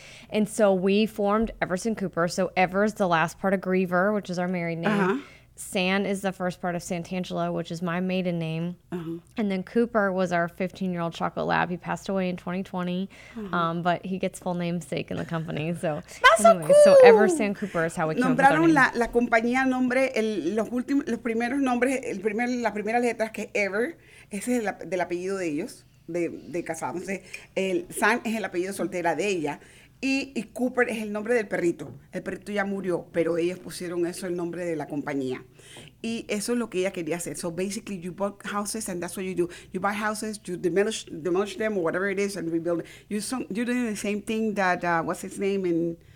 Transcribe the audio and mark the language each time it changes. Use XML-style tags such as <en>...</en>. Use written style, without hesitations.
<en>And so we formed Everson Cooper. So Ever is the last part of Griever, which is our married name. Uh-huh. San is the first part of Santangelo, which is my maiden name. Uh-huh. And then Cooper was our 15-year-old chocolate lab. He passed away in 2020, uh-huh. But he gets full namesake in the company. So that's anyway, so cool. So Ever San Cooper is how we came up with our name.</en> <es>Nombraron la compañía nombre, los primeros nombres, la primera letra que Ever, ese es del apellido de ellos, de casados. Entonces, San es el apellido soltera de ella. Y Cooper es el nombre del perrito. El perrito ya murió, pero ellos pusieron eso, el nombre de la compañía. Y eso es lo que ella quería hacer.</es> <en>So basically, you bought houses and that's what you do. You buy houses, you demolish them or whatever it is and rebuild. You're doing the same thing that, what's his name?</en>